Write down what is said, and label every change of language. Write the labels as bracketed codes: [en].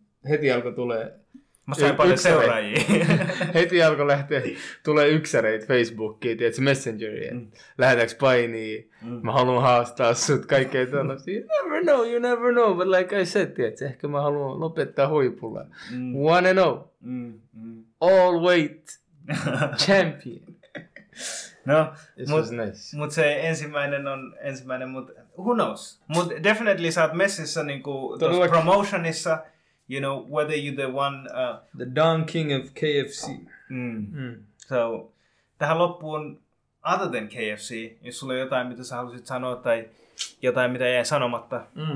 [fi] Heti alkoi tulee... Mä sain paljon seuraajia. Heti alkoi lähteä, tulee yksäreit Facebookiin, tiedätkö, Messengeriin. Lähetäänkö painia? Mä haluan haastaa sut kaikkea tällaisia. [en] You never know, but like I said, [fi] tiedätkö, ehkä mä haluan lopettaa huipulla. [en] One and all. All weight. Champion. [fi] No, mut se ensimmäinen on ensimmäinen, mut [en] who knows. [fi] Mut definitely sä oot messissä niinku tossa promotionissa, [en] you know, whether you the one the Don King of KFC. [fi] So tähän loppuun, [en] other than KFC, [fi] jos sulla on jotain mitä sä haluaisit sanoa tai jotain mitä jäi sanomatta.